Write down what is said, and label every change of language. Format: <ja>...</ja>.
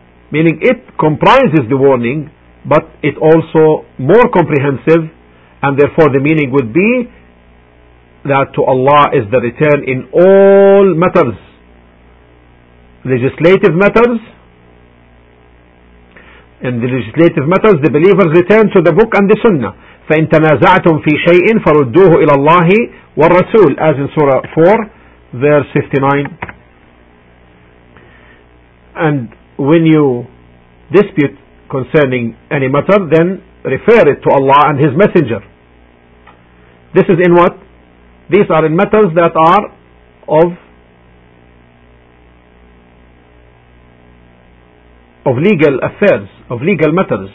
<en>Meaning it comprises the warning, but it also more comprehensive, and therefore the meaning would be that to Allah is the return in all matters, legislative matters. In the legislative matters, the believers return to the book and the sunnah.</en> <ar>فَإِن تَنَازَعْتُمْ فِي شَيْءٍ فَرُدُّوهُ إِلَى اللَّهِ وَالرَّسُولِ,</ar> <en>as in Surah 4, verse 59. And when you dispute concerning any matter, then refer it to Allah and His Messenger. This is in what? These are in matters that are of legal affairs, of legal matters.</en>